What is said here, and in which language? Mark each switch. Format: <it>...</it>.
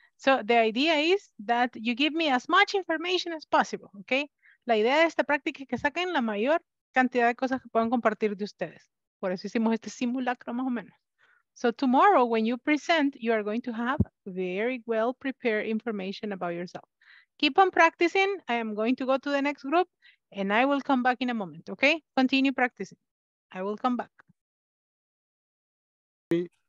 <en>So the idea is that you give me as much information as possible, okay?</en> <es>La idea de esta práctica es que saquen la mayor cantidad de cosas que puedan compartir de ustedes. Por eso hicimos este simulacro más o menos.</es> <en>So tomorrow when you present, you are going to have very well prepared information about yourself. Keep on practicing. I am going to go to the next group. And I will come back in a moment, okay? Continue practicing. I will come back. Hi.</en>